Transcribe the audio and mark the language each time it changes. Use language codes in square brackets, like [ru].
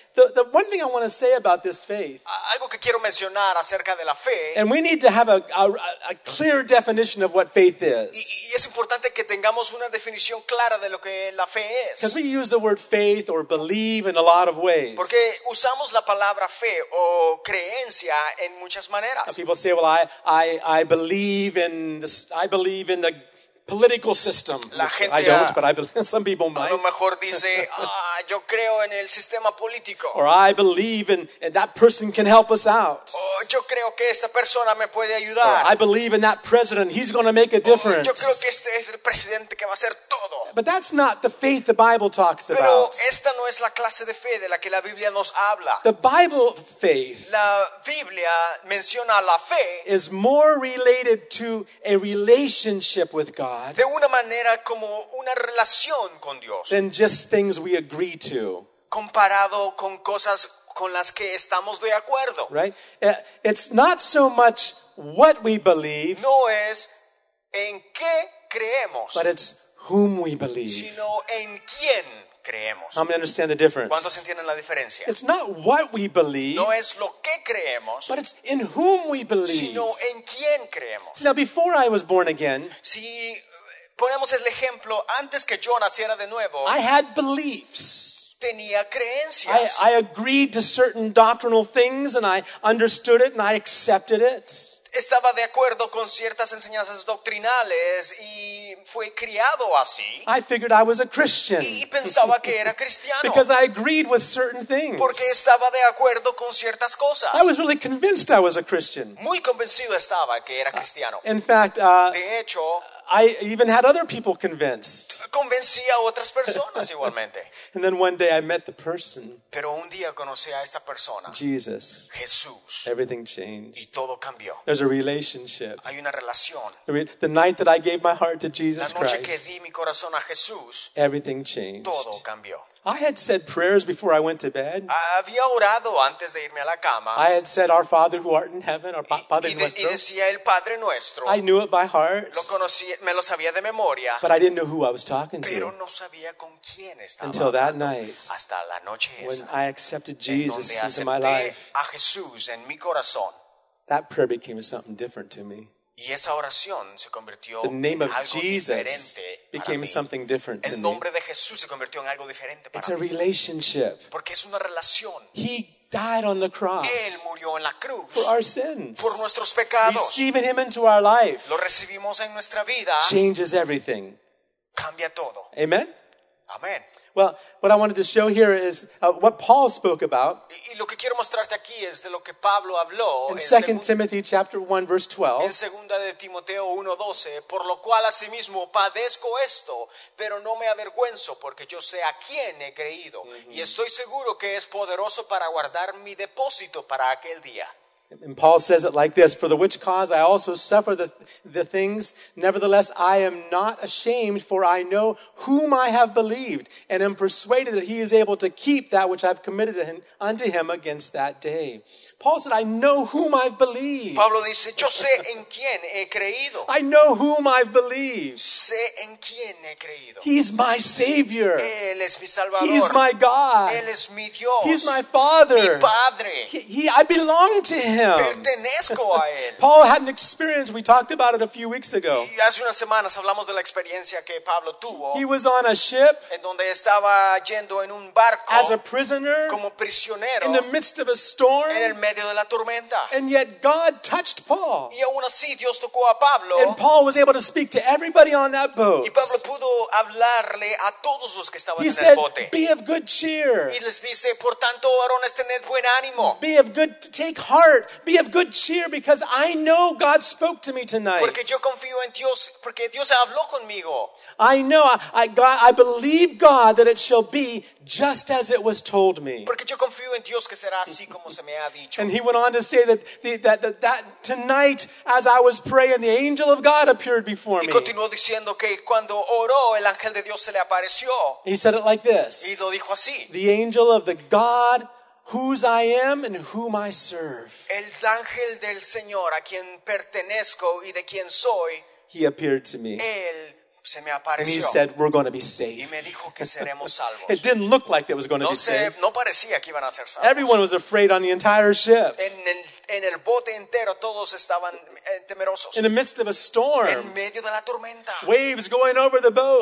[en] The one thing I want to say about this faith, [es] algo que quiero mencionar acerca de la fe, [en] and we need to have a clear definition of what faith is. [es] Y es importante que tengamos una definición clara de lo que la fe es. [en] Because we use the word faith or believe in a lot of ways. [es] Porque usamos la palabra fe o creencia en muchas maneras. [en] Now people say, "Well, I believe in this. I believe in the political system." [es] La gente, [en] I don't, but I believe some people might. [es] A lo mejor dice, yo creo en el sistema político. [en] Or I believe in and that person can help us out. [es] Oh, yo creo que esta persona me puede ayudar. [en] Or I believe in that president, he's going to make a difference. [es] Yo creo que este es el presidente que va a hacer todo. [en] But that's not the faith the Bible talks [es] pero [en] about. [es] Esta no es la clase de fe de la que la Biblia nos habla. [en] The Bible faith, [es] la Biblia menciona la fe, [en] is more related to a relationship with God. [es] De una manera como una relación con Dios. [en] Than just things we agree to. [es] Comparado con cosas con las que estamos de acuerdo. [en] Right? It's not so much what we believe. [es] No es en qué creemos. [en] But it's whom we believe. [es] Sino en quién creemos. [en] How many understand the difference? [es] ¿Cuántos entienden la diferencia? [en] It's not what we believe. [es] No es lo que creemos. [en] But it's in whom we believe. [es] Sino en quién creemos. [en] Now before I was born again. [es] Si ponemos el ejemplo antes que yo naciera de nuevo. [en] I had beliefs. [es] Tenía creencias. [en] I agreed to certain doctrinal things and I understood it and I accepted it. [es] Estaba de acuerdo con ciertas enseñanzas doctrinales y fue criado así. [en] I figured I was a Christian. [es] Y pensaba que era cristiano. [en] Because I agreed with certain things. [es] Porque estaba de acuerdo con ciertas cosas. [en] I was really convinced I was a Christian. [es] Muy convencido estaba que era cristiano. [en] In fact, [es] de hecho, [en] I even had other people convinced. [es] Convencí a otras personas igualmente. [en] And then one day I met the person. [es] Pero un día conocí a esta persona. [en] Jesus. [es] Jesús. [en] Everything changed. [es] Y todo cambió. [en] There's a relationship. [es] Hay una relación. [en] The night that I gave my heart to Jesus Christ. [es] La noche que di mi corazón a Jesús. [en] Everything changed. [es] Todo cambió. [en] I had said prayers before I went to bed. [es] Había orado antes de irme a la cama. [en] I had said, "Our Father who art in heaven," or Padre nuestro. [es] Y decía el Padre nuestro. [en] I knew it by heart. [es] Lo conocí, me lo sabía de memoria. [en] But I didn't know who I was talking [es] pero Pero no sabía con quién estaba. [en] Until that night. [es] Hasta la noche esa. [en] When I accepted Jesus into my life. [es] A Jesús en mi corazón. [en] That prayer became something different to me. [es] Y esa oración se convirtió en algo diferente. [en] Became something different to [es] me. El nombre de Jesús se convirtió en algo diferente para [en] mí. It's a relationship. [es] Porque es una relación. [en] He died on the cross. [es] Él murió en la cruz. [en] For our sins. [es] Por nuestros pecados. [en] Receiving him into our life. [es] Lo recibimos en nuestra vida. [en] Changes everything. [es] Cambia todo. [en] Amen. [es] Amen. [en] Well, what I wanted to show here is what Paul spoke about. [es] Y lo que quiero mostrarte aquí es de lo que Pablo habló [en] en 2 Timothy chapter 1 verse 12. [es] En 2 de Timoteo 1:12, por lo cual asimismo padezco esto, pero no me avergüenzo, porque yo sé a quién he creído, y estoy seguro que es poderoso para guardar mi depósito para aquel día. [en] And Paul says it like this: for the which cause I also suffer the things. Nevertheless, I am not ashamed, for I know whom I have believed, and am persuaded that he is able to keep that which I have committed unto him against that day. Paul said, I know whom I've believed. [es] Pablo dice, yo sé en quién he creído. [en] I know whom I've believed. [es] Sé en quién he creído. [en] He's my Savior. [es] Él es mi Salvador. [en] He's my God. [es] Él es mi Dios. [en] He's my Father. [es] Mi Padre. [en] I belong to him. [es] Pertenezco a él. [en] Paul had an experience. We talked about it a few weeks ago. [es] Y hace unas semanas hablamos de la experiencia que Pablo tuvo. [en] He was on a ship. [es] En donde estaba yendo en un barco. [en] As a prisoner. [es] Como prisionero. [en] In the midst of a storm. [es] Medio de la tormenta. [en] And yet God touched Paul. [es] Y aún así Dios tocó a Pablo. [en] And Paul was able to speak to everybody on that boat. [es] Y Pablo pudo hablarle a todos los que estaban [en] he [es] en [en] said, [es] el bote. [en] Be of good cheer. [es] Y les dice, por tanto, varones, tened buen ánimo. [en] Be of good, take heart. Be of good cheer, because I know God spoke to me tonight. [es] Porque yo confío en Dios, porque Dios habló conmigo. [en] I know, I believe God that it shall be just as it was told me. [es] Porque yo confío en Dios que será así como se me ha dicho. [en] And he went on to say that that tonight, as I was praying, the angel of God appeared before me. [es] Y continuó diciendo que cuando oró, el ángel de Dios se le apareció. [en] He said it like this. [es] Y lo dijo así. [en] The angel of the God whose I am and whom I serve. [es] El ángel del Señor a quien pertenezco y de quien soy. [en] He appeared to me. [es] Él se me apareció. [en] And he said, we're going to be saved. [es] Y me dijo que seremos salvos. [en] It didn't look like it was going [es] no [en] to be saved. [es] No parecía que iban a ser salvos. [en] Everyone was afraid on the entire ship. [es] En el bote entero, todos estaban temerosos. [en] In the midst of a storm. [es] En medio de la tormenta. [en] Waves going over the boat.